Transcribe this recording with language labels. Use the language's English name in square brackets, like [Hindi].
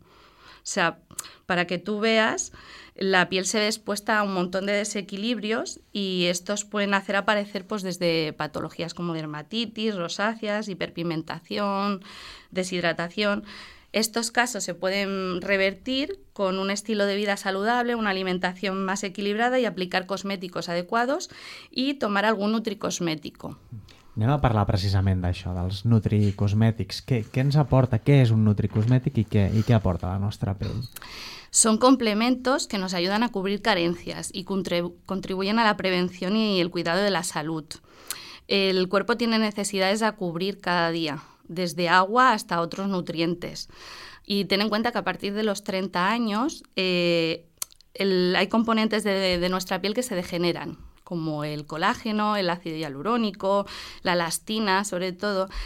[Spanish] O sea, para que tú veas, la piel se ve expuesta a un montón de desequilibrios y estos pueden hacer aparecer pues desde patologías como dermatitis, rosáceas, hiperpigmentación, deshidratación. Estos casos se pueden revertir con un estilo de vida saludable, una alimentación más equilibrada y aplicar cosméticos adecuados y tomar algún nutricosmético. [Catalan] Anem a parlar precisament d'això, dels nutricosmètics. Què ens aporta? Què és un nutricosmètic i què aporta a la nostra pell? [Spanish] Son complementos que nos ayudan a cubrir carencias y contribuyen a la prevención y el cuidado de la salud. El cuerpo tiene necesidades a cubrir cada día, desde agua hasta otros nutrientes. Y ten en cuenta que a partir de los 30 años hay componentes de nuestra piel que se degeneran, como el colágeno, el ácido hialurónico, la elastina, sobre todo.